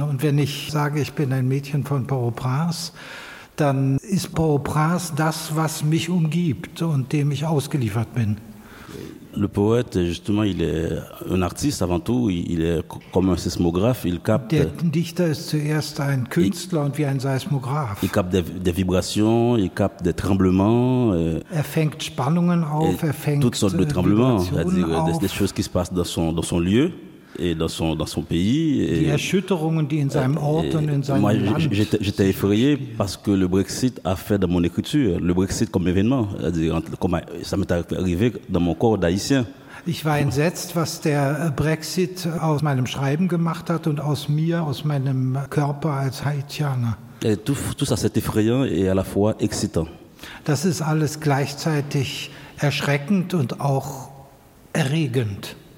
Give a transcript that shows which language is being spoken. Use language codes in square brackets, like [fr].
[de] Und wenn ich sage, ich bin ein Mädchen von Port-au-Prince, dann ist Port-au-Prince das, was mich umgibt und dem ich ausgeliefert bin. [fr] Le poète, justement, il est un artiste avant tout, il est comme un sismographe, il capte... [de] Der Dichter ist zuerst ein Künstler und wie ein Seismograph. [fr] Il capte des vibrations, il capte des tremblements. [de] Er fängt Spannungen auf, er fängt [fr] toutes sortes de tremblements, c'est-à-dire des choses qui se passent dans son lieu. Et dans son pays. [de] Die Erschütterungen, die in seinem Ort und in seinem Land. [fr] J'étais effrayé parce que le Brexit a fait dans mon écriture, le Brexit comme événement, ça m'est arrivé dans mon corps d'haïtien. [de] Ich war entsetzt, was der Brexit aus meinem Schreiben gemacht hat und aus mir, aus meinem Körper als Haïtianer. [fr] Et tout ça, c'est effrayant et à la fois excitant. [de] Das ist alles gleichzeitig erschreckend und auch erregend.